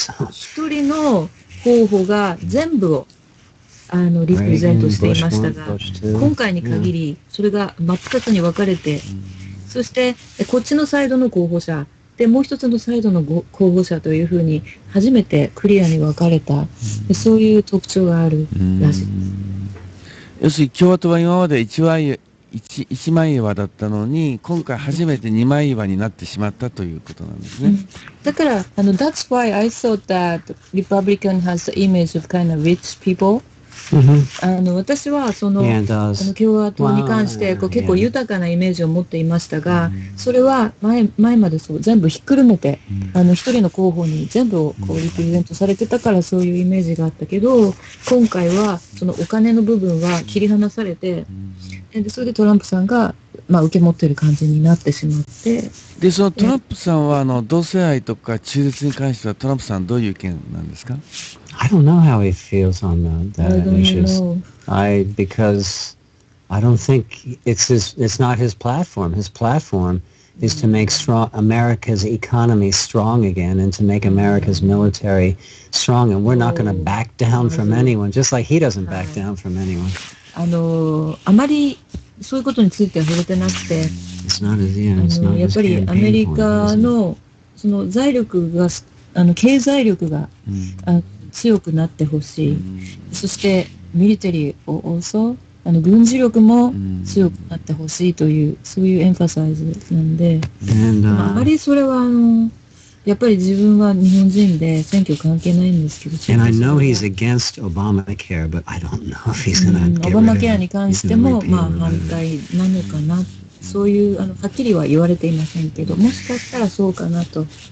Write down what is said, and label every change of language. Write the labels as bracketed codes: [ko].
[ja] 1人の候補が全部をあのリプレゼントしていましたが、今回に限りそれが真っ二つに分かれて、そしてこっちのサイドの候補者で、もう一つのサイドの候補者というふうに初めてクリアに分かれた、そういう特徴があるらしいです。要するに共和党は今まで一枚岩だったのに、今回初めて二枚岩になってしまったということなんですね。だから、あの、 [en] That's why I thought that Republican has the image of kind of rich people. [ja] あの、私はその、あの共和党に関してこう結構豊かなイメージを持っていましたが、それは 前までそう全部ひっくるめて、あの一人の候補に全部をこうリプレゼントされてたからそういうイメージがあったけど、今回はそのお金の部分は切り離されて、でそれでトランプさんが、まあ、受け持ってる感じになってしまって、でそのトランプさんは、あの同性愛とか中絶に関してはトランプさんどういう意見なんですか？ [en] I don't know how he feels on that issues. Because I don't think it's not his platform. His platform is to make strong America's economy strong again and to make America's military strong. And we're not going to back down from anyone, just like he doesn't back down from anyone. [ja] あの、あまりそういうことについては触れてなくて。 [en] It's not his, yeah, it's not his campaign isn't it? [ja] やっぱりアメリカのその財力が、あの、経済力が、強くなってほしい、そしてミリタリーを also、あの軍事力も強くなってほしいという、そういうエンファサイズなんで、あまりそれはあのやっぱり自分は日本人で選挙関係ないんですけど、 [en] And I know he's against Obamacare, but I don't know if he's gonna get rid of it. [ja] オバマケアに関してもまあ反対なのかな、そういうあのはっきりは言われていませんけど、もしかしたらそうかなと。